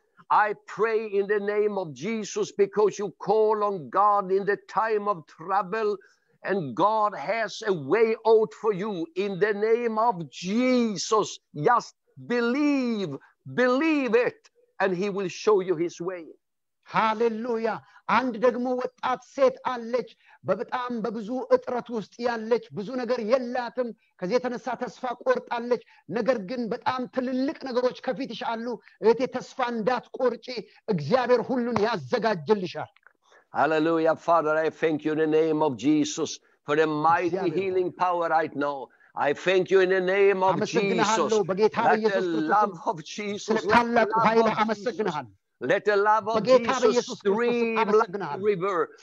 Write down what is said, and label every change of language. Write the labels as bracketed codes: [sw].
[en] I pray in the name of Jesus because you call on God in the time of trouble and God has a way out for you. In the name of Jesus, just believe it and he will show you his way. Hallelujah. [am] አንድ ደግሞ ወጣት ሴት አለች በጣም በብዙ እጥረት ውስጥ ያለች ብዙ ነገር የላትም ከዚህ የተነሳ ተስፋ ቆርጣለች ነገር ግን በጣም ትልልቅ ነገሮች ከፊትሽ አሉ እህቴ ተስፋ እንዳትቆርጪ እግዚአብሔር ሁሉን ያዘጋጅልሻል [en] Hallelujah Father I thank you in the name of Jesus for the mighty healing power right now I thank you in the name of Jesus let the love of Jesus let the love of Jesus Let the love of Jesus stream like a river.